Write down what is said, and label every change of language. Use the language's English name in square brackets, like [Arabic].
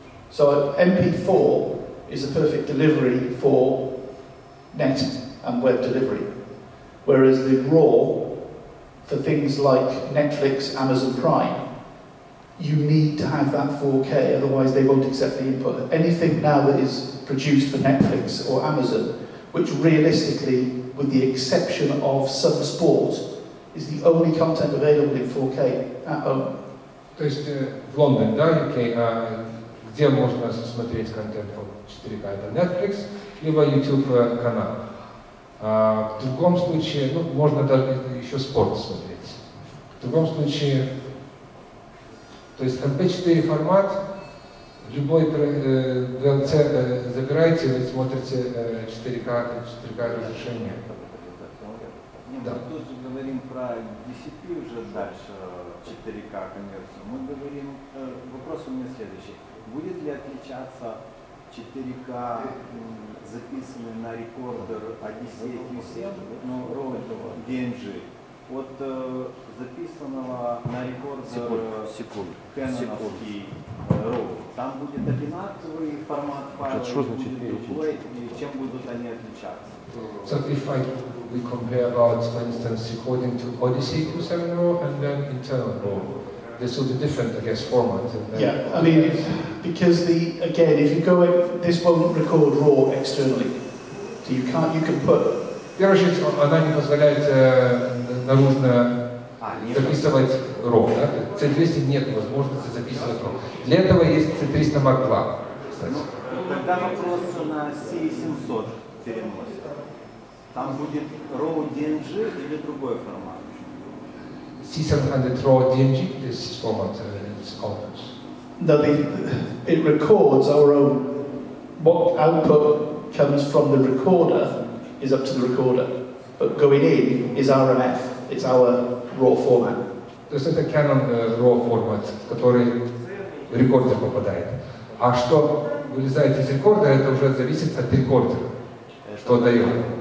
[English] So MP4 is a perfect delivery for net and web delivery, whereas the RAW, for things like Netflix, Amazon Prime, you need to have that 4K, otherwise they won't accept the input. Anything now that is produced for Netflix or Amazon, which realistically, with the exception of some sport, is the only content available in 4K at home. [Russian] То есть в Лондон, да, UK, где можно смотреть контент по 4K? Это Netflix, либо YouTube канал. В другом случае, ну, можно даже еще спорт смотреть. В другом случае, то есть MP4 формат, любой VLC забираете, вы смотрите 4K разрешение. Нет, да. Мы тут же говорим про DCP уже дальше, 4K конверсию. Мы говорим, вопрос у меня следующий. Будет ли отличаться 4K записанный на рекордер Odyssey QC, ну, RAW этого, DMG, от записанного на рекордер Canon-овский RAW? Там будет одинаковый формат файла, что значит, другой, и чем будут они отличаться? [English] So if we compare about, for instance, recording to Odyssey Q7 RAW and then internal RAW, this will be different, I guess, format. Yeah, I mean, because if you go in, this won't record RAW externally. So you can put. [Russian] Первое, она не позволяет наружно записывать RAW, да? C200 нет возможности записывать RAW. Для этого есть C300 Mark II, кстати. Тогда вопрос на C700 переносит. Там будет RAW DMG или другой формат? [English] C700 RAW DMG, this format is ours. No, it records our own. What output comes from the recorder is up to the recorder, but going in is RMF. It's our RAW format. [Russian] То есть это Canon RAW формат, который в рекордер попадает. А что вылезает из рекордера, это уже зависит от рекордера, что дает.